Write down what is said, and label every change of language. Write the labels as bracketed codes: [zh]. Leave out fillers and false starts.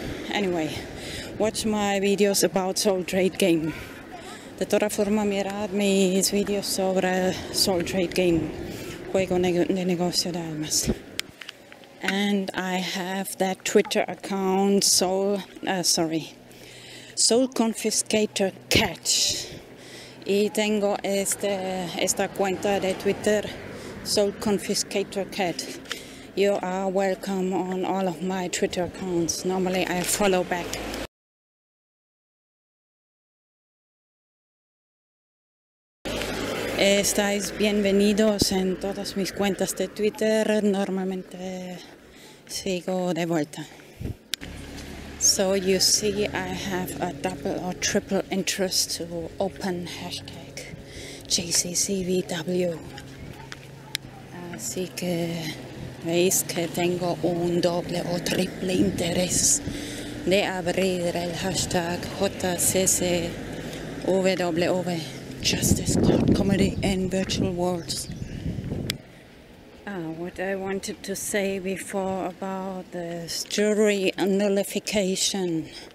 [en] Anyway, watch my videos about Soul Trade Game. [es] De toda forma, mirar mis videos sobre Soul Trade Game, juego de negocio de almas. [en] And I have that Twitter account, Soul Confiscator Catch. [es] Y tengo esta cuenta de Twitter, Soul Confiscator Cat. [en] You are welcome on all of my Twitter accounts. Normally I follow back. [es] Estáis bienvenidos en todas mis cuentas de Twitter. Normalmente sigo de vuelta. [en] So you see, I have a double or triple interest to open hashtag GCCVW. [es] Así que veis que tengo un doble o triple interés de abrir el hashtag JCCVW. [en] Justice Court Comedy in Virtual Worlds. What I wanted to say before about this jury nullification.